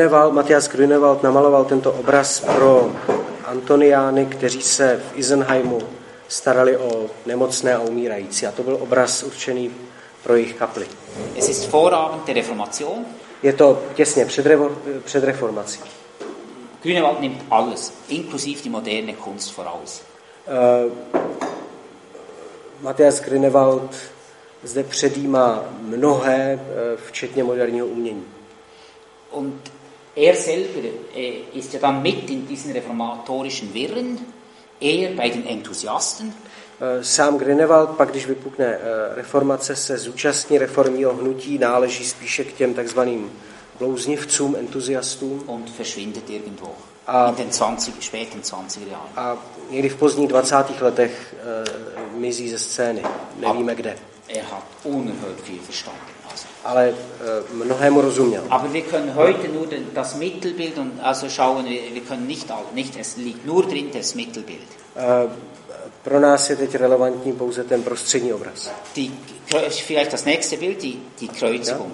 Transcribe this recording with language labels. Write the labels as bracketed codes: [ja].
[cs] Matias Grünewald namaloval tento obraz pro Antoniány, kteří se v Isenheimu starali o nemocné a umírající. A to byl obraz určený pro jejich kapli. [de] Es ist Vorabend der Reformation. [cs] Je to těsně před reformací. [de] Grünewald nimmt alles, inklusiv die moderne Kunst voraus. [cs] Matias Grünewald zde předjímá mnohé, včetně moderního umění. [de] Und er selber ist ja dann mit in diesen reformatorischen Wirren, eher bei den Enthusiasten. [cs] Sám Grünewald pak, když vypukne reformace, se zúčastní reformního hnutí, náleží spíše k těm takzvaným blouznivcům, entuziastům. [de] Und verschwindet irgendwo a, in den 20, späten 20er Jahren. [cs] A někdy v pozdních 20. letech mizí ze scény, nevíme kde. [de] Er hat unerhört viel verstanden. [cs] Ale mnohému rozuměl. [de] Aber wir können heute nur das Mittelbild und also schauen wir können nicht es liegt nur drin das Mittelbild. [cs] Pro nás je teď relevantní pouze ten prostřední obraz. [de] Vielleicht das nächste Bild die Kreuzigung.